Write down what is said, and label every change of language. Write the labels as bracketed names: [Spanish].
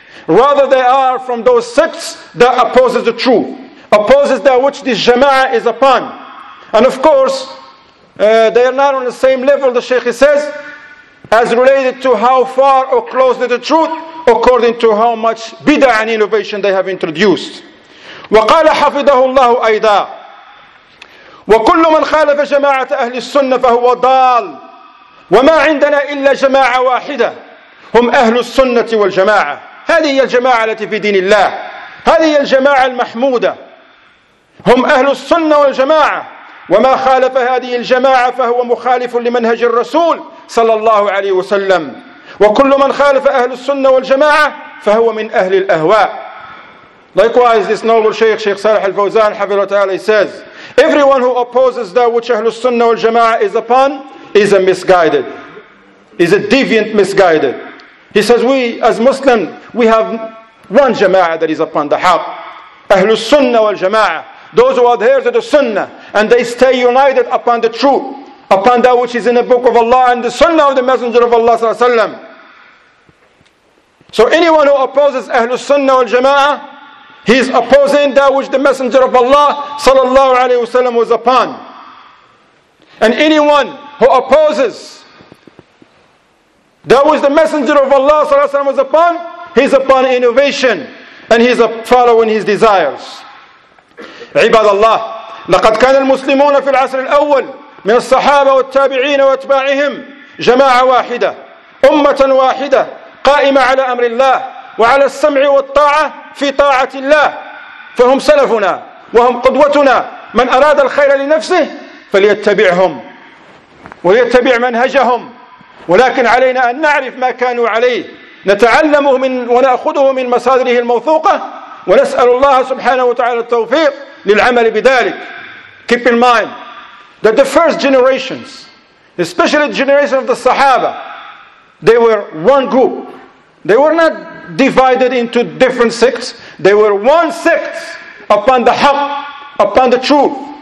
[English] Rather, they are from those sects that opposes the truth, opposes that which this jama'ah is upon. And of course, they are not on the same level, the Shaykh says, as related to how far or close to the truth, according to how much bid'ah and innovation they have introduced. [Arabic] وقال حفظه الله أيضا وكل من خالف جماعة أهل السنة فهو ضال وما عندنا إلا جماعة واحدة هم أهل السنة والجماعة. هذه هي الجماعة التي في دين الله, هذه هي الجماعة المحمودة, هم أهل السنة والجماعة. وما خالف هذه الجماعة فهو مخالف لمنهج الرسول صلى الله عليه وسلم وكل من خالف أهل السنة والجماعة فهو من أهل الأهواء. [English] Likewise, this noble Shaykh, Shaykh Salih al-Fawzan, حفظه الله, says, everyone who opposes that which [Arabic] أهل السنة والجماعة [English] is upon is a misguided, is a deviant misguided. He says, we as Muslims, we have one jama'ah that is upon the haqq. [Arabic] أهل السنة والجماعة, [English] those who adhere to the sunnah and they stay united upon the truth, upon that which is in the book of Allah and the sunnah of the Messenger of Allah sallallahu alayhi. So anyone who opposes Ahlul Sunnah wal Jama'ah, he is opposing that which the Messenger of Allah sallallahu alayhi wa sallam was upon. And anyone who opposes that was the Messenger of Allah sallallahu alaihi wasallam was upon, he's upon innovation and he's following his desires. [Arabic] عباد الله لقد كان المسلمون في العصر الأول من الصحابة والتابعين واتباعهم جماعة واحدة أمة واحدة قائمة على أمر الله وعلى السمع والطاعة في طاعة الله فهم سلفنا وهم قدوتنا من أراد الخير لنفسه فليتبعهم وليتبع منهجهم ولكن علينا أن نعرف ما كانوا عليه نتعلمه من ونأخذه من مصادره الموثوقة ونسأل الله سبحانه وتعالى التوفيق للعمل بذلك. [English] Keep in mind that the first generations, especially the generation of the Sahaba, they were one group. They were not divided into different sects. They were one sect upon the haq, upon the truth.